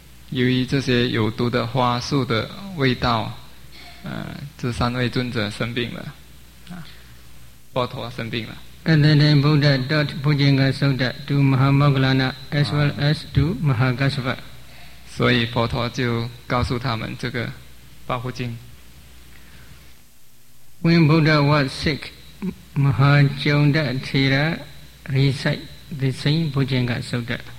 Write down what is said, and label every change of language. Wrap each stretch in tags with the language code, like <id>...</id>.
<zh>由于这些有毒的花树的味道，这三位尊者生病了。</zh> <en>And then Buddha taught Bhujanga Sutta to Mahamoggallana as well as to Mahakasava.</en> <zh>所以佛陀就告诉他们这个保护经。</zh> <en>When Buddha was sick, Mahajonda Thera recite the same Bhujanga Sutta.</en>